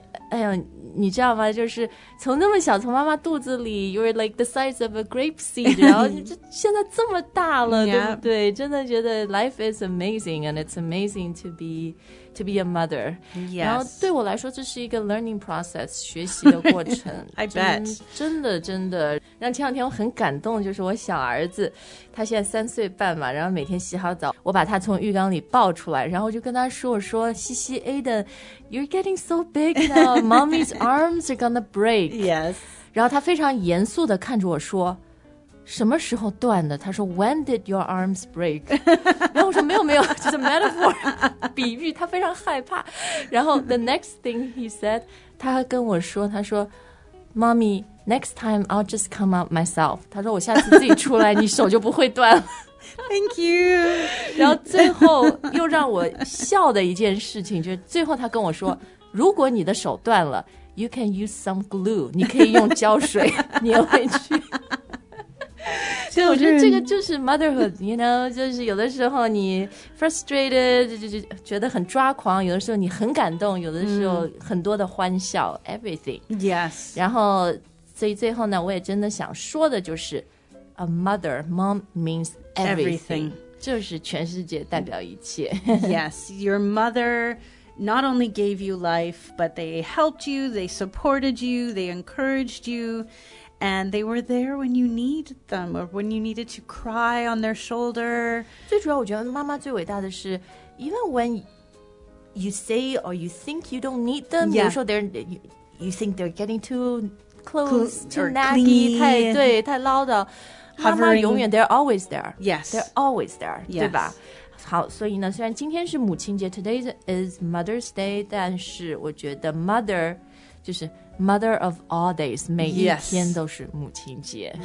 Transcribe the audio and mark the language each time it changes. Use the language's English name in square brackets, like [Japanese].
[Chinese] 哎呀，你知道吗？就是从那么小，从妈妈肚子里 ， [English] you're like the size of a grape seed， [Chinese] 然后你这现在这么大了，对不对？真的觉得 [English] life is amazing， and it's amazing to be a mother。 Yes. [Chinese] 然后对我来说，这是一个 learning process， 学习的过程。 [English] I bet， [Chinese] 真的。然后前两天我很感动，就是我小儿子，他现在3岁半嘛，然后每天洗好澡，我把他从浴缸里抱出来，然后就跟他说，我说西西 Aiden， [English] you're getting so big now， mommy's arms are gonna break。 Yes。 [Chinese] 然后他非常严肃地看着我说，什么时候断的？他说 [English] When did your arms break？ [Chinese] 然后我说没有，就是 metaphor， 比喻。他非常害怕。然后 [English] the next thing he said， [Chinese] 他还跟我说，他说 ， [English] Mommy， next time I'll just come out myself。 [Chinese] 他说我下次自己出来，你手就不会断了。 [English] Thank you。 [Chinese] 然后最后又让我笑的一件事情，就是最后他跟我说，如果你的手断了 ， [English] you can use some glue， [Chinese] 你可以用胶水粘回去。对，我觉得这个就是 motherhood， you know， 就是有的时候你 frustrated， 就觉得很抓狂，有的时候你很感动，有的时候很多的欢笑， everything， [English] yes。 [Chinese] 然后所以最后呢，我也真的想说的就是 [English] a mother， mom means everything， [Chinese] 就是全世界，代表一切。 [English] Yes， your mother not only gave you life， but they helped you， they supported you， they encouraged youAnd they were there when you need them, or when you needed to cry on their shoulder. [Chinese] 最主要我觉得妈妈最伟大的是 [English] even when you say or you think you don't need them,、 yeah. [Chinese] 比如说 [English] you think they're getting too close, too naggy, [Chinese] 太唠叨。 [English] Hovering. [Chinese] 妈妈永远 [English] they're always there. Yes. They're always there,、 yes. [Chinese] 对吧？好，所以呢，虽然今天是母亲节 , [English] today is Mother's Day, [Chinese] 但是我觉得 mother 就是 [English] Mother of all days, [Chinese] 每一天都是母亲节。